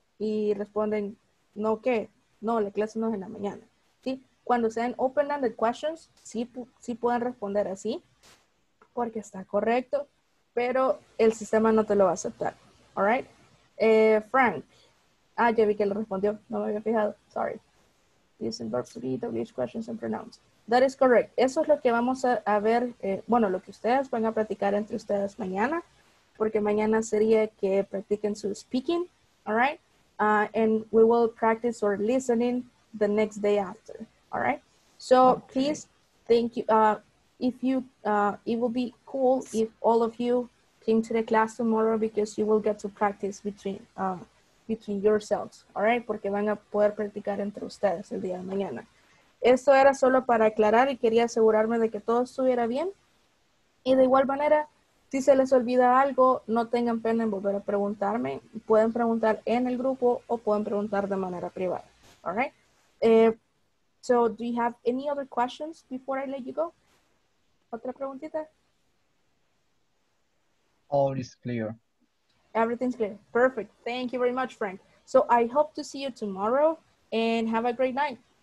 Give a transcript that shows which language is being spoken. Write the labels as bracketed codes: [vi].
[es] Y responden, ¿no qué? No, la clase no es en la mañana, ¿sí? Cuando sean [en] open-ended questions, [es] sí pueden responder así, porque está correcto, pero el sistema no te lo va a aceptar, [en] ¿all right? [es] Frank, ah, ya vi que lo respondió, no me había fijado, sorry. [en] Using verbs to be, WH questions and pronouns. That is correct. [es] Eso es lo que vamos a ver, bueno, lo que ustedes van a practicar entre ustedes mañana, porque mañana sería que practiquen su speaking, [en] all right? And we will practice our listening the next day after, all right? So okay. Please, thank you. It will be cool if all of you came to the class tomorrow, because you will get to practice between yourselves, all right? [es] Porque van a poder practicar entre ustedes el día de mañana. Esto era solo para aclarar y quería asegurarme de que todo estuviera bien. Y de igual manera, si se les olvida algo, no tengan pena en volver a preguntarme. Pueden preguntar en el grupo o pueden preguntar de manera privada, [en] all right? So, do you have any other questions before I let you go? [es] ¿Otra preguntita? [en] All is clear. Everything's clear. Perfect. Thank you very much, Frank. So, I hope to see you tomorrow and have a great night.